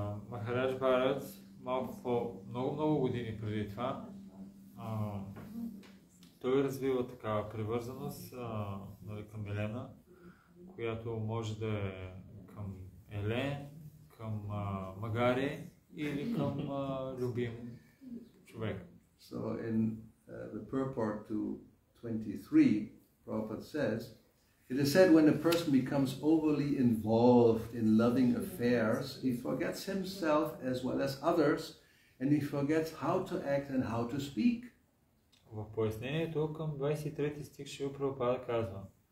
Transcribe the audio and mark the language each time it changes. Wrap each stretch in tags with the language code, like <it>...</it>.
<bg>Maharaj Bharat, малко по много-много години преди това, той развива такава привързаност към Елена, която може да е към Елен, към Магари или към любим човек.</bg> <en>So in the purport to 23, Prabhupada says, it is said when a person becomes overly involved in loving affairs, he forgets himself as well as others, and he forgets how to act and how to speak.</en> <bg>В пояснението към 23 стих Шрила Прабхупада казва.</bg>